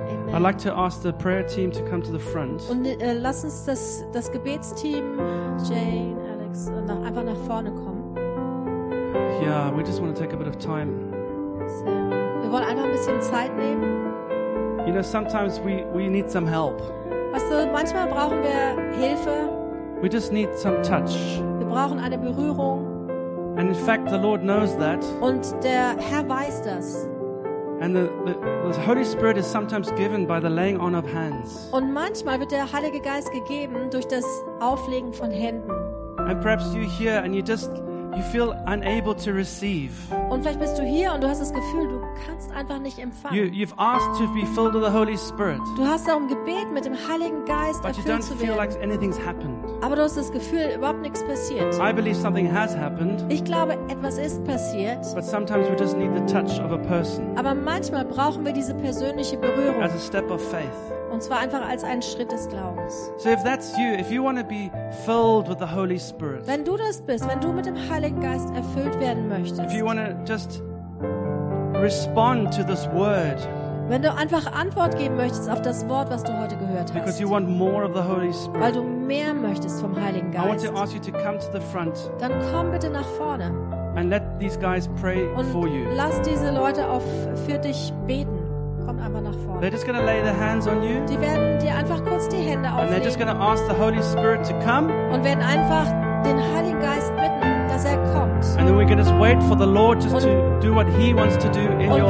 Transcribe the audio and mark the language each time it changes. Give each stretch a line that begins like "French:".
English: I'd like to ask the prayer team to come to the front.
German: Und lass uns das Gebetsteam, Jane, Alex, einfach nach vorne kommen.
English: Yeah, we just want to take a bit of time.
German: So, wir wollen einfach ein bisschen Zeit nehmen.
English: You know, sometimes we need some help.
German: Weißt du, manchmal brauchen wir Hilfe.
English: We just need some touch.
German: Wir brauchen eine Berührung.
English: And in fact, the Lord knows that.
German: Und der Herr weiß das.
English: And the Holy Spirit is sometimes given by the laying on of hands.
German: Und manchmal wird der Heilige Geist gegeben durch das Auflegen von Händen.
English: And perhaps you're here and you just you feel unable to receive.
German: Und vielleicht bist du hier und du hast das Gefühl, du kannst einfach nicht empfangen.
English: You've asked to be filled with the Holy Spirit.
German: Du hast darum gebeten, mit dem Heiligen Geist erfüllt zu werden.
English: But you don't feel like anything's happened.
German: Aber du hast das Gefühl, überhaupt nichts passiert.
English: I believe something has happened.
German: Ich glaube, etwas ist passiert.
English: But sometimes we just need the touch of a person.
German: Aber manchmal brauchen wir diese persönliche Berührung.
English: As a step of faith.
German: Und zwar einfach als einen Schritt des Glaubens.
English: So if that's you, if you want to be filled with the Holy Spirit.
German: Wenn du das bist, wenn du mit dem Heiligen Geist erfüllt werden möchtest.
English: If you want to just respond to this word.
German: Wenn du einfach Antwort geben möchtest auf das Wort, was du heute gehört hast.
English: Because you want more of the Holy Spirit.
German: Weil du mehr möchtest vom Heiligen Geist.
English: I want to ask you to come to the front.
German: Dann komm bitte nach vorne.
English: And let these guys pray for you.
German: Und lass diese Leute für dich beten.
English: They're just going to lay their hands on you.
German: Die werden dir einfach kurz die Hände auflegen.
English: And they're just going to ask the Holy Spirit to come.
German: Und werden einfach den Heiligen Geist bitten, dass kommt.
English: And then we're going to just wait for the Lord just to do what He wants to do in your life.